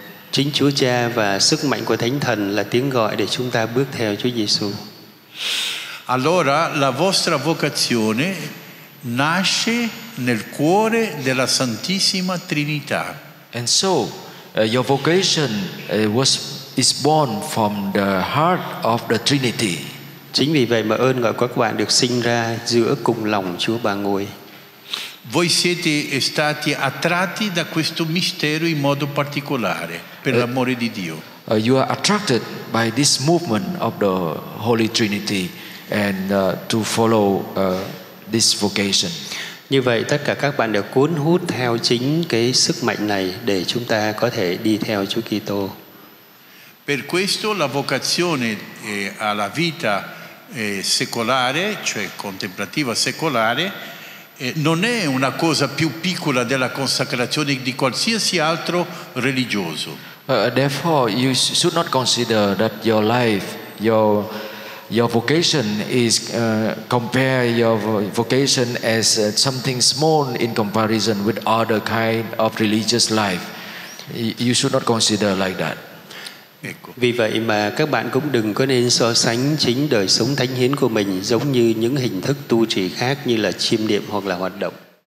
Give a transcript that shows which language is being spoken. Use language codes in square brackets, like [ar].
[vi] Chính Chúa Cha và sức mạnh của Thánh Thần là tiếng gọi để chúng ta bước theo Chúa Giêsu. [it] Allora la vostra vocazione nasce nel cuore della Santissima Trinità. [en] And so your vocation is born from the heart of the Trinity. [vi] Chính vì vậy mà ơn gọi của các bạn được sinh ra giữa cùng lòng Chúa Ba Ngôi. [it] Voi siete stati attratti da questo mistero in modo particolare per l'amore di Dio. [en] You are attracted by this movement of the Holy Trinity and to follow this vocation. [vi] Như vậy tất cả các bạn đều cuốn hút theo chính cái sức mạnh này để chúng ta có thể đi theo Chúa Kitô. [it] Per questo la vocazione alla vita secolare, cioè contemplativa secolare, non è una cosa più piccola della consacrazione di qualsiasi altro religioso. [en] Therefore, you should not consider that your life, your vocation is compare your vocation as something small in comparison with other kind of religious life. You should not consider like that. [vi] Vì vậy mà các bạn cũng đừng có nên so sánh chính đời sống thánh hiến của mình giống như những hình thức tu trì khác như là chiêm niệm hoặc là hoạt động.